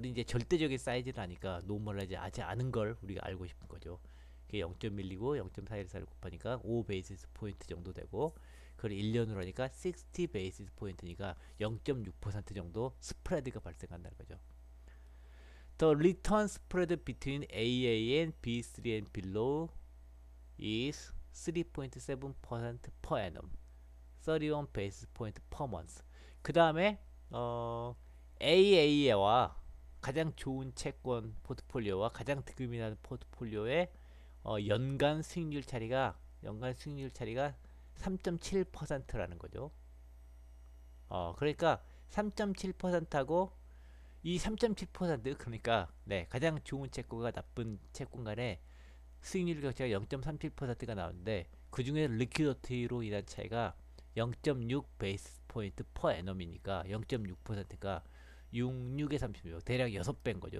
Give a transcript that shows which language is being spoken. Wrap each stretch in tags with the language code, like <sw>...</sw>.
<ko>우리 이제 절대적인 사이즈를 하니까 노멀라이즈 하지 않은 걸 우리가 알고 싶은 거죠. 그게 0.1이고 0.414를 곱하니까 5 베이시스 포인트 정도 되고 그걸 1년으로 하니까 60 베이시스 포인트니까 0.6% 정도 스프레드가 발생한다는 거죠.</ko> <en>The return spread between AA and B3 and below is 3.7% per annum, 31 basis point per month.</en> <ko>그 다음에 AA와 가장 좋은 채권 포트폴리오와 가장 득금이 나는 포트폴리오의 연간 수익률 차이가 3.7%라는 거죠. 그러니까 3.7%하고 이3.7% 그러니까 네, 가장 좋은 채권과 나쁜 채권 간의 수익률 격차가 0.37%가 나오는데 그중에 리퀴디티로 인한 차이가 0.6 베이스 포인트 퍼 애넘이니까 0.6%가 66에 36 대략 6배인 거죠.</ko>